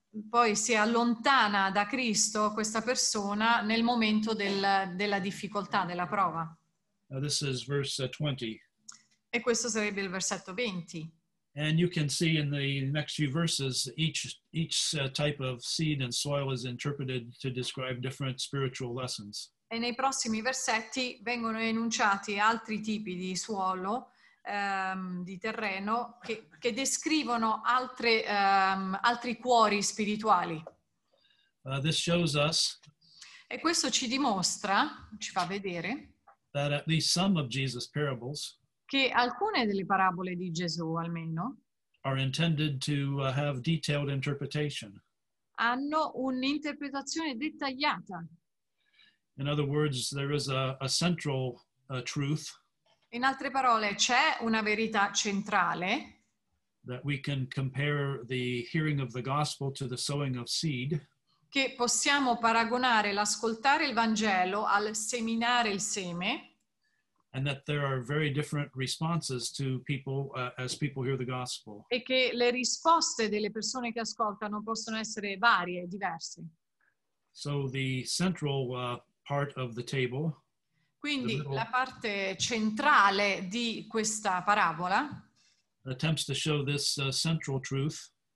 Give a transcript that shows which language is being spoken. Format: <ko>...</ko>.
<it>Poi si allontana da Cristo questa persona nel momento della difficoltà, della prova.</it> <en>Now this is verse 20.</en> <it>E questo sarebbe il versetto 20.</it> <en>And you can see in the next few verses each type of seed and soil is interpreted to describe different spiritual lessons.</en> <it>e nei prossimi versetti vengono enunciati altri tipi di suolo, di terreno, che descrivono altre, altri cuori spirituali.</it> <en>This shows us,</en> <it>e questo ci dimostra, ci fa vedere,</it> <en>that at least some of Jesus' parables,</en> <it>che alcune delle parabole di Gesù, almeno,</it> <en>are intended to have detailed interpretation.</en> <it>Hanno un'interpretazione dettagliata.</it> <en>In other words, there is a central truth.</en> <it>In altre parole, c'è una verità centrale.</it> <en>That we can compare the hearing of the gospel to the sowing of seed.</en> <it>Che possiamo paragonare l'ascoltare il Vangelo al seminare il seme.</it> <en>And that there are very different responses to people as people hear the gospel.</en> <it>E che le risposte delle persone che ascoltano possono essere varie, diverse.</it> <en>So the central part of the table.</en> <it>Quindi la parte centrale di questa parabola.</it> <en>Attempts to show this central truth.</en>